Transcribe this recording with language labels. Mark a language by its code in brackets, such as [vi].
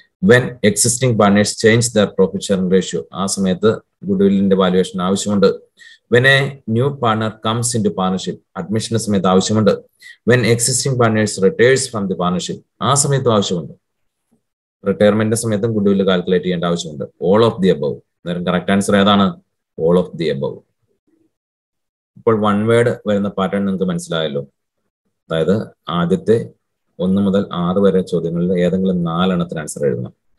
[en] when existing partners change their profit sharing ratio, [ml] ആ സമയത്ത് ഗുഡ്വില്ലിന്റെ valuation ആവശ്യമുണ്ട്. [en] When a new partner comes into partnership, admission [ml] സമയത്ത് ആവശ്യമുണ്ട്. [en] When existing partners retires from the partnership, [ml] ആ സമയത്തും ആവശ്യമുണ്ട്. റിട്ടയർമെന്റിന്റെ സമയത്തും ഗുഡ്വില്ല് കാൽക്കുലേറ്റ് ചെയ്യേണ്ട ആവശ്യമുണ്ട്. [en] All of the above. [ml] നേരം കറക്റ്റ് ആൻസർ ഏതാണ്, [en] All of the above. [ml] ഇപ്പോൾ വൺ വേർഡ് വരുന്ന പാറ്റേൺ നിങ്ങൾക്ക് മനസ്സിലായല്ലോ. അതായത് ആദ്യത്തെ 1 മുതൽ 6 വരെ ചോദ്യങ്ങളിൽ ഏതെങ്കിലും 4 എണ്ണത്തിന് ആൻസർ എഴുതണം.